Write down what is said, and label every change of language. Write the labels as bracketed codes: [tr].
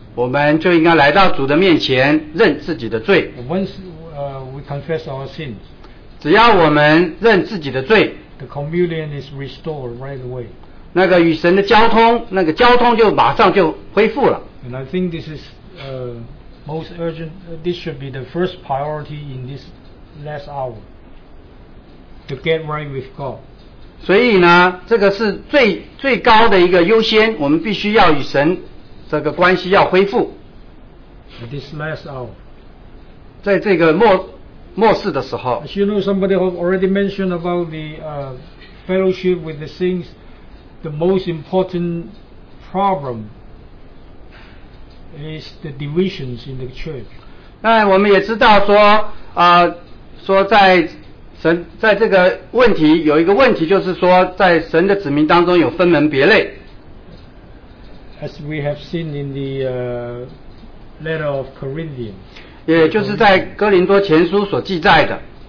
[zh] 我们就应该来到主的面前认自己的罪。 [en] Once we confess our sin, [zh] 只要我们认自己的罪， [en] the communion is restored right away. [zh] 那个与神的交通，那个交通就马上就恢复了。 [en] And I think this is most urgent. This should be the first priority in this last hour to get right with God. [zh] 所以呢，这个是最高的一个优先，我们必须要与神这个关系要恢复。 [en] At this last hour, [zh] 在这个末世的时候。 [en] As you know, somebody have already mentioned about the fellowship with the saints. The most important problem is the divisions in the church. [zh] 那我们也知道说，说在神在这个问题有一个问题，就是说在神的子民当中有分门别类。 [en] As we have seen in the letter of Corinthians. [zh] 也就是在哥林多前书所记载的。